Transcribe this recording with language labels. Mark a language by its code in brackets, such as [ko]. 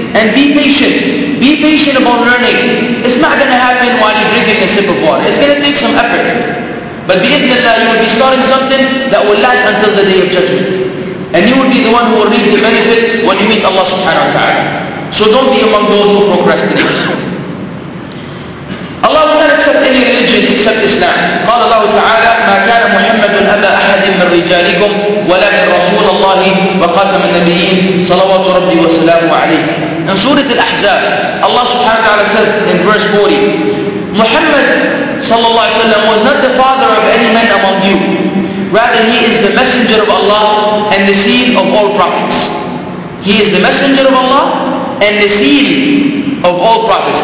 [en] And be patient. Be patient about learning. It's not going to happen while you're drinking a sip of water. It's going to take some effort. But bi-idhnillah, you will be starting something that will last until the day of judgment. And you will be the one who will reap the benefit when you meet Allah subhanahu wa ta'ala. So don't be among those who procrastinate. Allah will not accept any religion except Islam. [ar] قال الله تعالى ما كان محمد أبا أحد من رجالكم ولكن رسول الله وخاتم النبيين صلوات ربي وسلامه عليه. [en] In Surah Al-Ahzab, Allah subhanahu wa ta'ala says in verse 40, Muhammad sallallahu alayhi wa sallam was not the father of any man among you. Rather, he is the messenger of Allah and the seed of all prophets. He is the messenger of Allah and the seed of all prophets.